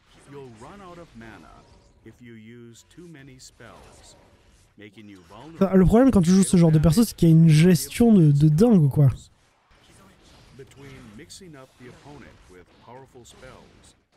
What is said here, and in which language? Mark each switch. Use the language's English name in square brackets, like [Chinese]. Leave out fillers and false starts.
[English] You'll run out of mana if you use too many spells, making you vulnerable. [French] Le problème quand tu joues ce genre de perso, c'est qu'il y a une gestion de dingue, quoi. [English] Between mixing up the opponent with powerful spells.